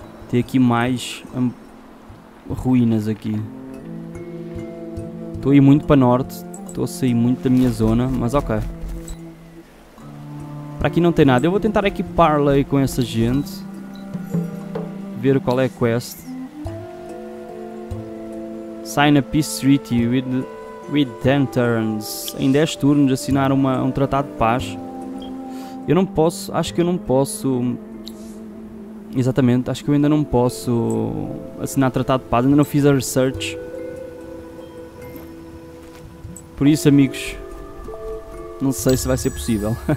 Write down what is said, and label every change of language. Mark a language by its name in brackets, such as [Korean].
[Portuguese] Tem aqui mais ruínas aqui. Estou a ir muito para norte. Estou a sair muito da minha zona. Mas ok. Para aqui não tem nada. Eu vou tentar aqui parlay com essa gente. Ver qual é a quest. [English] Sign a peace treaty with Dantarns. [Portuguese] Em 10 turnos assinar um tratado de paz. Eu não posso. Acho que eu não posso. Exatamente, acho que eu ainda não posso assinar tratado de paz, ainda não fiz a research. Por isso, amigos, não sei se vai ser possível.